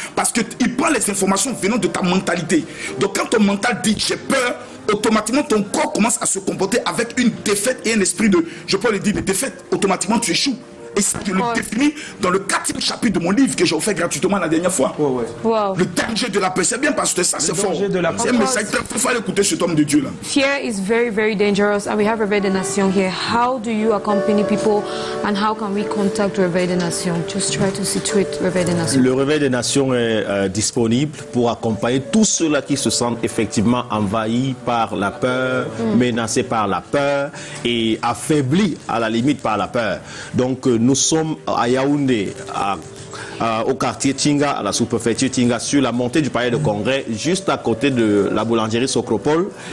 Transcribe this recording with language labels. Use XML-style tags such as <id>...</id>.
<fr>Parce qu'il prend les informations venant de ta mentalité. Donc quand ton mental dit j'ai peur, automatiquement ton corps commence à se comporter avec une défaite et un esprit de, je peux le dire, de défaite. Automatiquement tu échoues. Et ça, je le définis dans le 4e chapitre de mon livre que j'ai offert gratuitement la dernière fois. Le danger de la peur, c'est bien parce que ça, c'est fort. Le danger de la peur. C'est un message très fort. Il faut écouter cet homme de Dieu là.</fr> <en>Fear is very, very dangerous. And we have Reveille des Nations here. How do you accompany people and how can we contact Reveille des Nations? Just try to situate Reveille des Nations.</en> <fr>Le Reveille des Nations est disponible pour accompagner tous ceux-là qui se sentent effectivement envahis par la peur, menacés par la peur et affaiblis à la limite par la peur. Donc, nous sommes à Yaoundé, au quartier Tinga, à la sous-préfecture Tinga, sur la montée du palais de congrès, juste à côté de la boulangerie Socropole.</fr>